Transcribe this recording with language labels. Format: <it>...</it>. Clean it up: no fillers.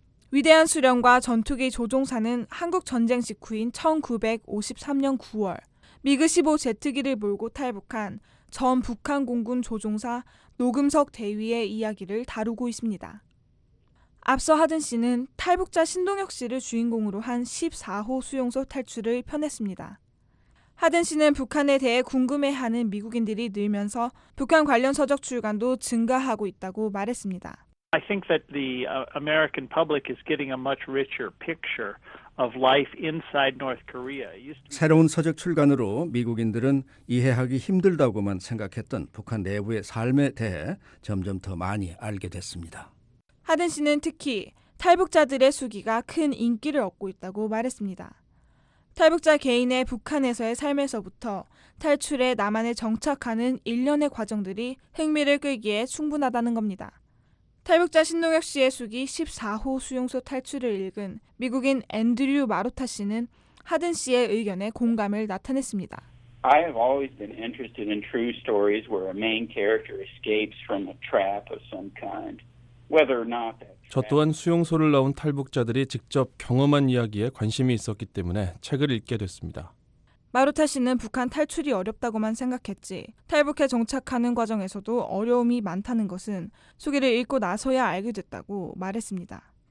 <ko>위대한 수령과 전투기 조종사는 한국 전쟁 직후인 1953년 9월 미그 15제트기를 몰고 탈북한 전 북한 공군 조종사 노금석 대위의 이야기를 다루고 있습니다. 앞서 하든 씨는 탈북자 신동혁 씨를 주인공으로 한 14호 수용소 탈출을 펴냈습니다. 하든 씨는 북한에 대해 궁금해하는 미국인들이 늘면서 북한 관련 서적 출간도 증가하고 있다고 말했습니다.</ko> <en>I think that the American public is getting a much richer picture of life inside North Korea.</en> <ko>새로운 서적 출간으로 미국인들은 이해하기 힘들다고만 생각했던 북한 내부의 삶에 대해 점점 더 많이 알게 됐습니다. 하든 씨는 특히 탈북자들의 수기가 큰 인기를 얻고 있다고 말했습니다. 탈북자 개인의 북한에서의 삶에서부터 탈출해 남한에 정착하는 일련의 과정들이 흥미를 끌기에 충분하다는 겁니다. 탈북자 신동혁 씨의 수기 14호 수용소 탈출을 읽은 미국인 앤드류 마로타 씨는 하든 씨의 의견에 공감을 나타냈습니다.</ko> <en>I have always been interested in true stories where a main character escapes from a trap of some kind. Whether or not that.</en> <ko>저 또한 수용소를 나온 탈북자들이 직접 경험한 이야기에 관심이 있었기 때문에 책을 읽게 됐습니다. 마로타 씨는 북한 탈출이 어렵다고만 생각했지 탈북해 정착하는 과정에서도 어려움이 많다는 것은 소개를 읽고 나서야 알게 됐다고 말했습니다.</ko>